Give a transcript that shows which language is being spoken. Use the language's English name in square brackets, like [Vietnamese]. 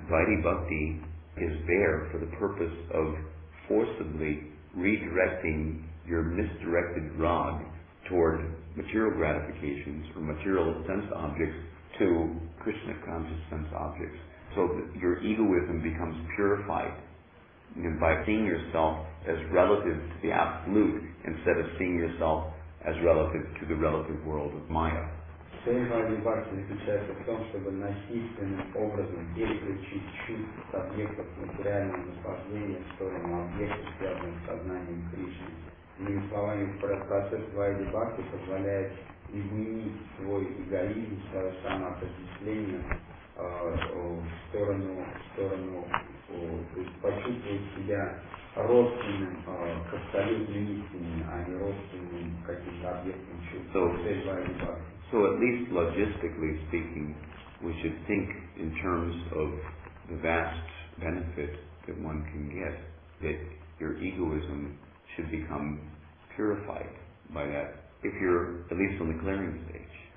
[English] Vaidhi Bhakti is there for the purpose of forcibly redirecting your misdirected rod toward material gratifications or material sense objects to Krishna conscious sense objects, so that your egoism becomes purified, you know, by seeing yourself as relative to the absolute instead of seeing yourself as relative to the relative world of Maya. [Russian] Цель Vaidhi Bhakti заключается в том, чтобы насильственным образом переключить чувство объектов материального наслаждения в сторону объекта, связанного с сознанием Кришны. Иными словами, процесс Vaidhi Bhakti позволяет изменить свой эгоизм, свое самоотождествление в сторону, то есть почувствовать себя родственным к абсолютным истинам, а не родственным каким-то объектам чувств. Цель Vaidhi Bhakti. [English] So at least logistically speaking, we should think in terms of the vast benefit that one can get, that your egoism should become purified by that, if you're at least on the clearing stage.